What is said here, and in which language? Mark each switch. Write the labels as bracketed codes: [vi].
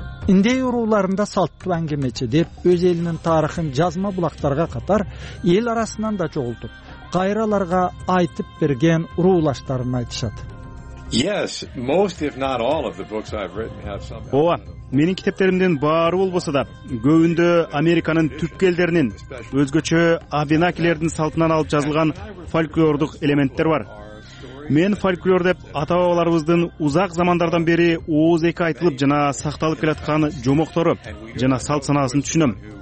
[ky] Индей урууларында салттуу аңгемечи деп өз элинин тарыхын жазма булактарга катар эл арасынан да чогултуп, кайраларга айтып берген уруулаштарын айтышат. [en] Yes, most if not all of the books I've written have some. [ky] Ооба, менин китептеримдин баары болбосо да, көбүндө Американын түпкөлдөрүнүн өзгөчө абенакилердин салтынан алып жазылган фольклордук элементтер бар. Мен фольклор деп ата-бабаларыбыздын узак замандардан бери ооз эки айтылып жана сакталып келаткан жомоктору жана салт-санаасын түшүнөм.